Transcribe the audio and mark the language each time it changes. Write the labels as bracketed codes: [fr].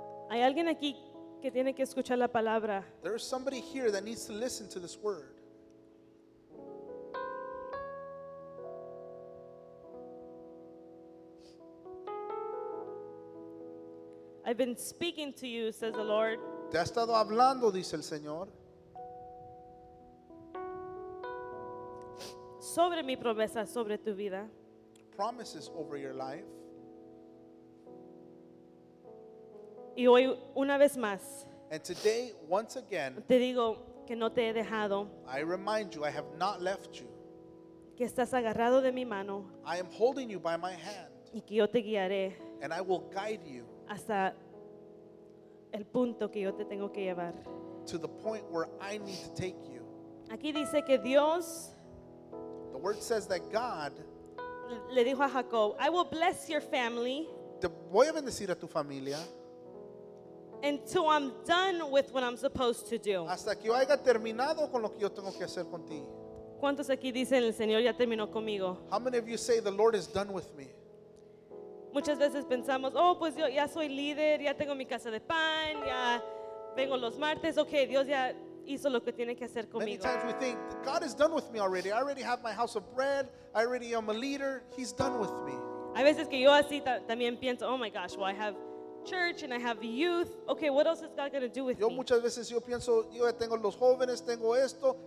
[es] Hay alguien aquí que tiene que escuchar la palabra. [en] There is somebody here that needs to listen to this word. I've been speaking to you, says the Lord. [es] Te ha estado hablando, dice el Señor. Sobre mi promesa, sobre tu vida. [en] Promises over your life. [es] Y hoy una vez más. [en] And today, once again, [es] te digo que no te he dejado. [en] I remind you, I have not left you. [es] Que estás agarrado de mi mano. [en] I am holding you by my hand. [es] Y que yo te guiaré. [en] And I will guide you. [es] Hasta el punto que yo te tengo que llevar. [en] To the point where I need to take you. [es] Aquí dice que Dios. [en] The word says that God. [es] Le dijo a Jacob, [en] I will bless your family. [es] Te voy a bendecir a tu familia. [en] Until I'm done with what I'm supposed to do. [es] Hasta que yo haya terminado con lo que yo tengo que hacer contigo. ¿Cuántos aquí dicen el Señor ya terminó conmigo? [en] How many of you say the Lord is done with me? [es] Muchas veces pensamos, oh, pues yo ya soy líder, ya tengo mi casa de pan, ya vengo los martes, okay, Dios ya, hizo lo que tiene que hacer conmigo. [en] Many times we think, God is done with me already. I already have my house of bread. I already am a leader. He's done with me. [es] A veces que yo así también pienso, [en] oh my gosh, well, I have church and I have youth. Okay, what else is God going to do with [es] me? Yo muchas veces yo pienso, yo tengo los jóvenes, tengo esto.